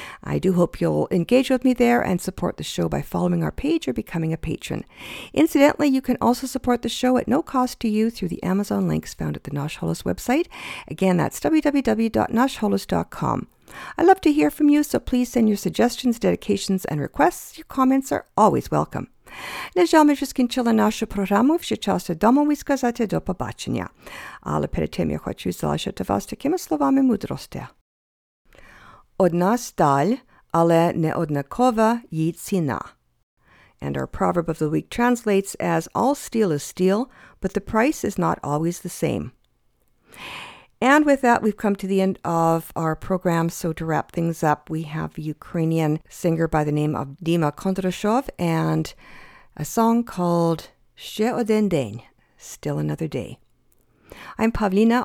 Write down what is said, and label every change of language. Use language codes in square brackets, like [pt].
[en] I do hope you'll engage with me there and support the show by following our page or becoming a patron. Incidentally, you can also support the show at no cost to you through the Amazon links found at the Nash Holos website. Again, that's www.nashholos.com. I'd love to hear from you, so please send your suggestions, dedications, and requests. Your comments are always welcome. [uk] Не жалме вискінчила нашу програму, вже час домові сказати до побачення. Але перед тим я хочу залишити вас такими словами мудрості. Одна сталь, але не однакова її ціна. [en] And our proverb of the week translates as, all steel is steel, but the price is not always the same. And with that, we've come to the end of our program. So to wrap things up, we have a Ukrainian singer by the name of Dima Kondrashov and a song called Ще один день, Still Another Day. I'm Pavlina.